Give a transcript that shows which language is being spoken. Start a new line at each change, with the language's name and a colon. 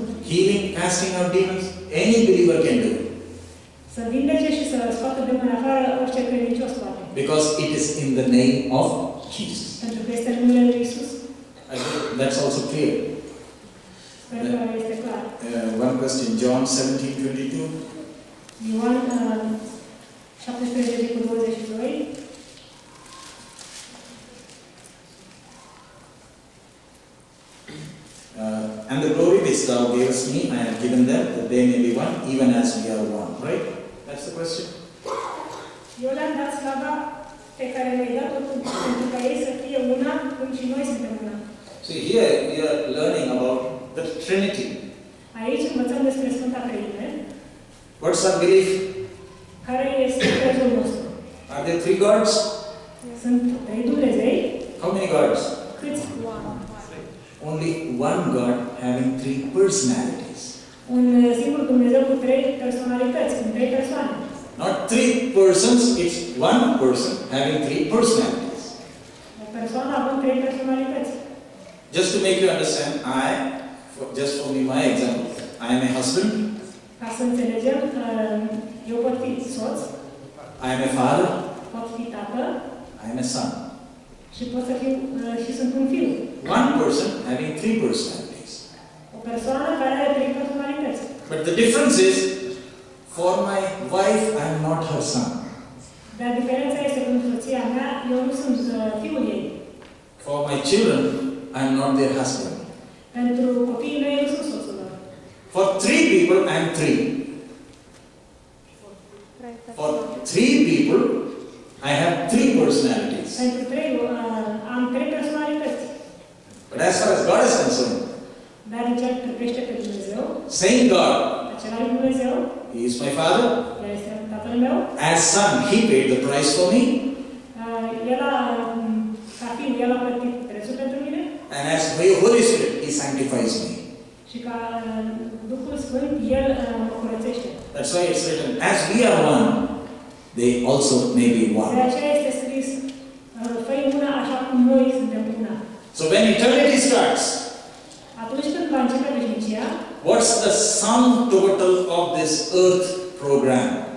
English: Healing, casting out demons, any believer can do.
Romanian: Să vindece și să scoată de mâna afară orice credincios poate.
English: Because it is in the name of Jesus.
Romanian: Pentru că este în numele lui Isus.
English: That's also clear.
Romanian: Sper că este clar.
English: One question, John 17:22.
Romanian: Ioan 17:22.
English: And the glory which thou gavest me, I have given them, that they may be one, even as we are one. Right? That's the question.
Romanian: Eu le-am dat slava pe care mi-ai dat-o tu, pentru ca ei să fie una, cum și noi suntem una.
English: So here we are learning about the Trinity.
Romanian: Aici învățăm despre Sfânta Trăime.
English: What's our belief?
Romanian: Care este crezul nostru?
English: Are there three gods?
Romanian: Sunt trei Dumnezei.
English: How many gods?
Romanian: Câți?
English: One. Only one God having three personalities.
Romanian: Un singur Dumnezeu cu trei personalități, cu trei persoane.
English: Not three persons, it's one person having three personalities.
Romanian: O persoană având trei personalități.
English: Just to make you understand, I, just for me, my example, I am a husband.
Romanian: Ca să înțelegem, eu pot fi soț.
English: I am a father.
Romanian: Pot fi tată.
English: I am a son.
Romanian: Și pot să fiu, și sunt un fiu.
English: One person having three personalities.
Romanian: O persoană care are trei personalități.
English: But the difference is, for my wife, I am not her son.
Romanian: Dar diferența este pentru soția mea, eu nu sunt fiul ei.
English: For my children, I am not their husband.
Romanian: Pentru copiii mei, eu sunt soțul lor.
English: For three people, I am three. For three people, I have three personalities.
Romanian: Pentru trei, am trei personalități.
English: But as far as God is concerned,
Romanian: dar în ceea ce privește pe Dumnezeu,
English: same God,
Romanian: același Dumnezeu,
English: He is my Father,
Romanian: El este Tatăl meu,
English: as Son, He paid the price for me,
Romanian: El a, ca fiind, El a plătit prețul pentru mine,
English: and as my Holy Spirit, He sanctifies me.
Romanian: Și ca Duhul Sfânt, El mă curățește.
English: That's why it's written, as we are one, they also may be one.
Romanian: De aceea este scris, fă-i una așa cum noi suntem una.
English: So when eternity starts,
Romanian: atunci când va începe veșnicia,
English: what's the sum total of this earth program?